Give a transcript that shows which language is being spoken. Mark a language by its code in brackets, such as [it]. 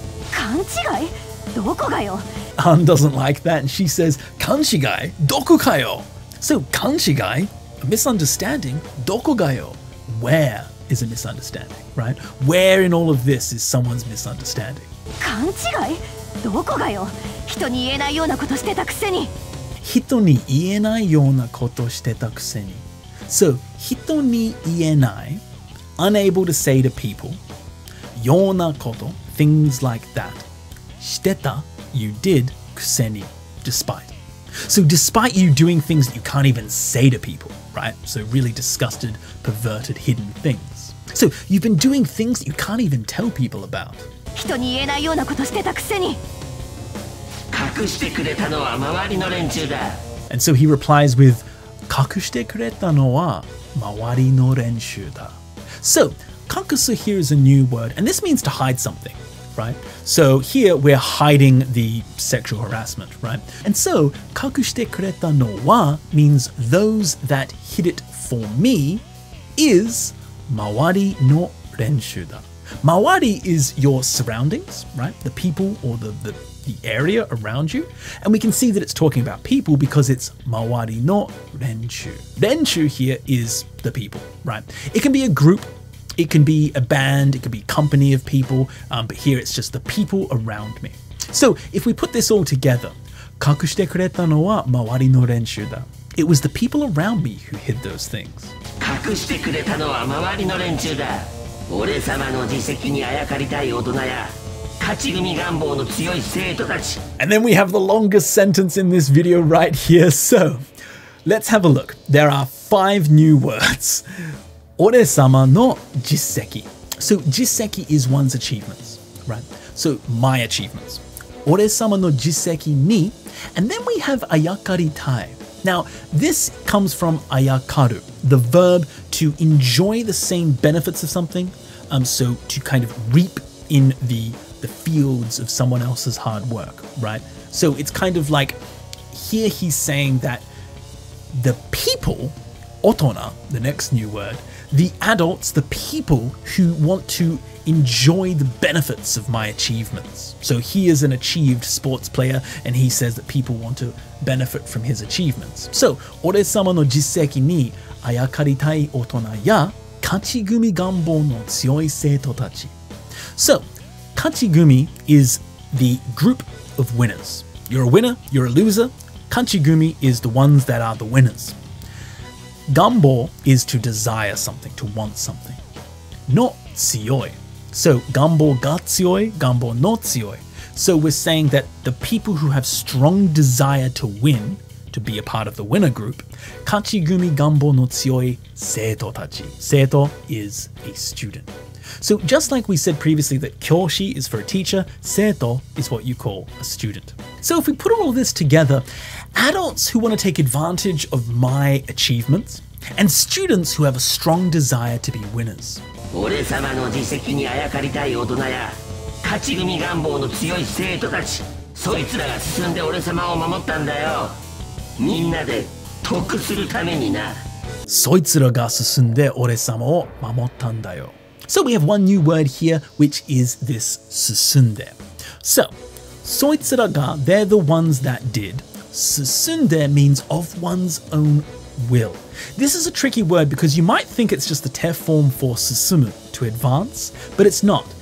[ja] Kanshigai? Doko ga yo? [en] An doesn't like that and she says, [ja] kanshigai? Doko ga yo? So kanshigai, [en] a misunderstanding, [ja] doko ga yo? [en] Where? Is a misunderstanding, right? Where in all of this is someone's misunderstanding? [ja] 勘違い?どこがよ? 人に言えないようなことしてたくせに。人に言えないようなことしてたくせに。 [en] So, [ja] 人に言えない, [en] unable to say to people, [ja] ようなこと, [en] things like that, [ja] してた, [en] you did, [ja] くせに, [en] despite. So despite you doing things that you can't even say to people, right? So really disgusted, perverted, hidden things. So you've been doing things that you can't even tell people about. [ja] 人に言えないようなことしてたくせに。隠してくれたのは周りの連中だ。 [en] And so he replies with, [ja] 隠してくれたのは周りの連中だ。 [en] So, 隠す here is a new word, and this means to hide something. Right? So here we're hiding the sexual harassment, right? And so, [ja] 隠してくれたのは [en] means those that hid it for me is [ja] 周りの連中だ。 [en] 周り is your surroundings, right? The people or the area around you. And we can see that it's talking about people because it's [ja] 周りの連中。 [en] 連中 here is the people, right? It can be a group. It can be a band, it can be company of people, but here it's just the people around me. So if we put this all together, [ja] 隠してくれたのは周りの連中だ。 [en] It was the people around me who hid those things. [ja] 隠してくれたのは周りの連中だ。俺様の自責にあやかりたい大人や。 [en] And then we have the longest sentence in this video right here. So let's have a look. There are five new words. [ja] Ore sama no jisseki. [en] So jisseki is one's achievements, right? So my achievements. [ja] Ore sama no jisseki ni. [en] And then we have ayakaritai. Now, this comes from ayakaru, the verb to enjoy the same benefits of something. So to kind of reap in the fields of someone else's hard work, right? So it's kind of like, here he's saying that the people, otona, the next new word, the adults, the people who want to enjoy the benefits of my achievements. So he is an achieved sports player, and he says that people want to benefit from his achievements. [ja] So, 俺様の実績にあやかりたい大人や勝ち組願望の強い生徒たち。 [en] So, 勝ち組 is the group of winners. You're a winner, you're a loser. 勝ち組 is the ones that are the winners. 願望 is to desire something, to want something. [ja] の強い。 So, 願望が強い、願望の強い。 [en] So, we're saying that the people who have strong desire to win, to be a part of the winner group, [ja] 勝ち組願望の強い生徒たち。 [en] 生徒 is a student. So, just like we said previously that 教師 is for a teacher, 生徒 is what you call a student. So, if we put all this together, adults who want to take advantage of my achievements, and students who have a strong desire to be winners. [ja] 俺様の実績にあやかりたい大人や勝ち組願望の強い生徒たち、そいつらが進んで俺様を守ったんだよ。みんなで得するためにな。そいつらが進んで俺様を守ったんだよ。 [en] So we have one new word here, which is this 進んで。 So [ja] そいつらが [en] they're the ones that did. 進んで means of one's own will. This is a tricky word because you might think it's just the te form for 進む, to advance, but it's not.